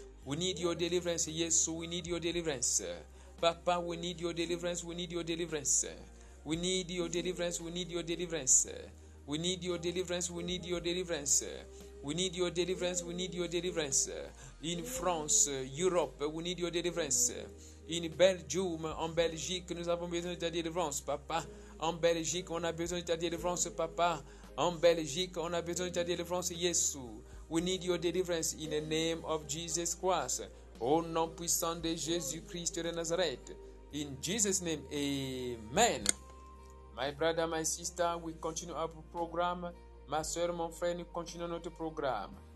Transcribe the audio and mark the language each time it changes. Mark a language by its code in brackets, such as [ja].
[en] We need your deliverance, yes, we need your deliverance. Papa, we need your deliverance, we need your deliverance. We need your deliverance, we need your deliverance. We need your deliverance, we need your deliverance. We need your deliverance, we need your deliverance. In France, Europe, we need your deliverance. In Belgium, [fr] en Belgique, nous avons besoin de ta délivrance, papa. En Belgique, on a besoin de ta délivrance, papa. En Belgique, on a besoin de ta délivrance, Yesu. [en] We need your deliverance in the name of Jesus Christ. [fr] Au nom puissant de Jésus-Christ de Nazareth. [en] In Jesus' name, amen. My brother, my sister, we continue our program. [fr] Ma soeur, mon frère, nous continuons notre programme.